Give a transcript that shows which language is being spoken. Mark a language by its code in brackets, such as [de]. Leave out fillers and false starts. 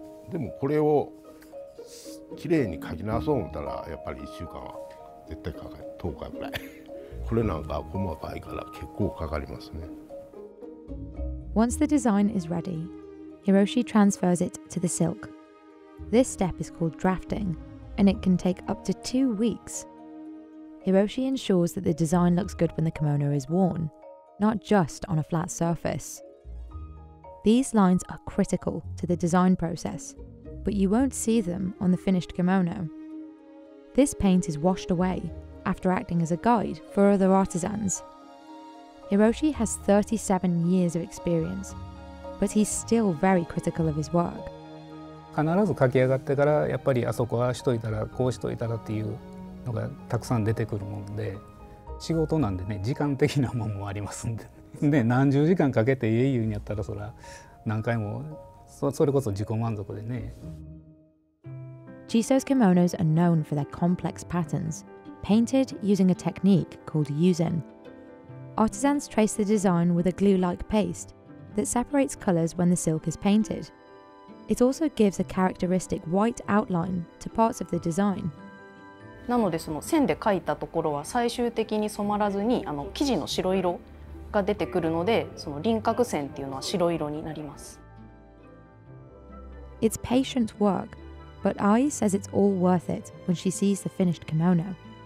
[ja] でもこれをきれいに描き直そう思ったらやっぱり1週間は絶対かかる。10日ぐらい。これなんか細かいから結構かかりますね。 [en] Once the design is ready, Hiroshi transfers it to the silk. This step is called drafting, and it can take up to 2 weeks. Hiroshi ensures that the design looks good when the kimono is worn, not just on a flat surface. These lines are critical to the design process, but you won't see them on the finished kimono. This paint is washed away after acting as a guide for other artisans. Hiroshi has 37 years of experience, but he's still very critical of his work. [ja] 必ず描き上がってからやっぱりあそこはしといたらこうしといたらっていうのがたくさん出てくるもんで、仕事なんでね、時間的なもんもありますんで。で、何十時間かけて家言うんやったら、そら何回も、それこそ自己満足でね。 [en] Chiso's kimonos are known for their complex patterns, painted using a technique called yuzen. Artisans trace the design with a glue-like paste that separates colors when the silk is painted. It also gives a characteristic white outline to parts of the design. [ja] なので、その線で描いたところは最終的に染まらずに、生地の白色が出てくるので、その輪郭線っていうのは白色になります。 [en] It's patient work, but Ai says it's all worth it when she sees the finished kimono.